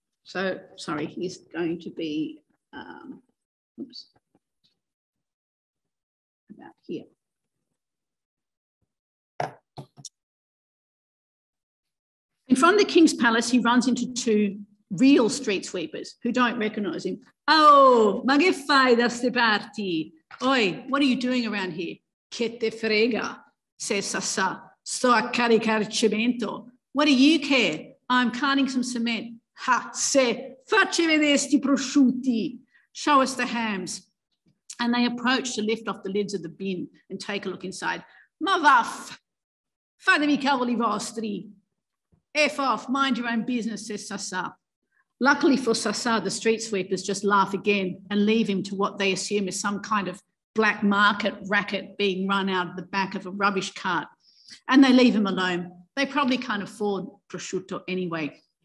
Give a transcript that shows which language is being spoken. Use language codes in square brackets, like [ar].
[en] So, sorry, he's going to be, about here. In front of the King's Palace, he runs into two real street sweepers who don't recognize him. [it] Oh, ma che fai da ste parti? [en] Oi, what are you doing around here? [it] Che te frega, [en] says Sasa. [it] Sto a caricare cemento. [en] What do you care? I'm carting some cement. [it] Ha, se, facci vedere sti prosciutti. [en] Show us the hams. And they approach to lift off the lids of the bin and take a look inside. [it] Ma vaff, fatemi cavoli vostri. [en] F off, mind your own business, says Sasa. Luckily for Sasa, the street sweepers just laugh again and leave him to what they assume is some kind of black market racket being run out of the back of a rubbish cart. And they leave him alone. They probably can't afford prosciutto anyway.